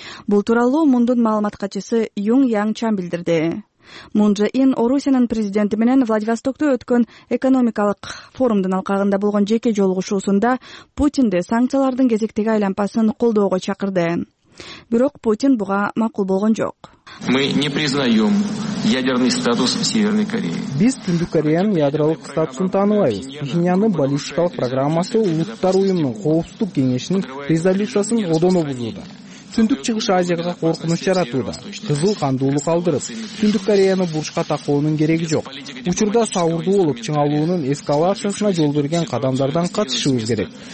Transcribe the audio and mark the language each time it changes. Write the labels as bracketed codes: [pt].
[ky] Бул тууралуу Мундун маалымат катчысы Юң Янг Чан билдирди. Мун Чжэ Ин Орусиянын президенти менен Владивостокто өткөн экономикалык форумдун алкагында болгон жеке жолугушуусунда Путинди санкциялардын кезектеги айлампасын колдоого чакырды. Бирок Путин буга макул болгон жок. [ru] Мы не признаем ядерный статус Северной Кореи. [ky] Биз Түндүк Кореянын ядролук статусун тааныбайбыз. Пхенянын баллистикалык программасы Улуттар уюмунун коопсуздук кеңешинин резолюциясын одоно бузууда. Түндүк Чыгыш Азияга коркунуч жаратууда. Кызыл кандуулук алдырып, Түндүк Кореяны бурчка такоонун кереги жок. Учурда сабырдуу болуп, чыңалуунун эскалациясына жол берген кадамдардан катышыбыз керек.